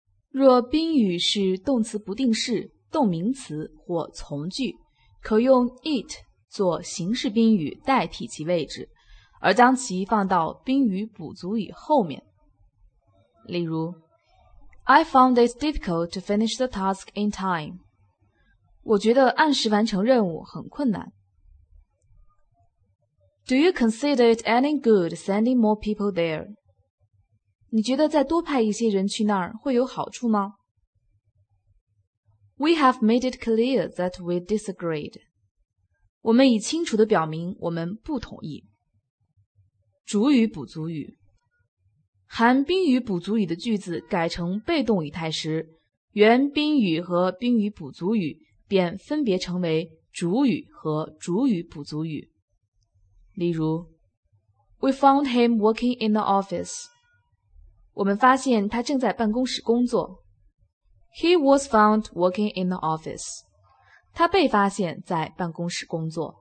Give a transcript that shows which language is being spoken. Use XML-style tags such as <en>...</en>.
<zh>若宾语是动词不定式、动名词或从句，可用 it 做形式宾语代替其位置，而将其放到宾语补足语后面。例如</zh> <en>I found it difficult to finish the task in time.</en> <zh>我觉得按时完成任务很困难。</zh> <en>Do you consider it any good sending more people there?</en> <zh>你觉得再多派一些人去那儿会有好处吗？</zh> <en>We have made it clear that we disagreed.</en> <zh>我们已清楚地表明我们不同意。主语补足语。含宾语补足语的句子改成被动语态时，原宾语和宾语补足语便分别成为主语和主语补足语。例如</zh> <en>We found him working in the office.</en> <zh>我们发现他正在办公室工作。</zh> <en>He was found working in the office.</en> <zh>他被发现在办公室工作。</zh>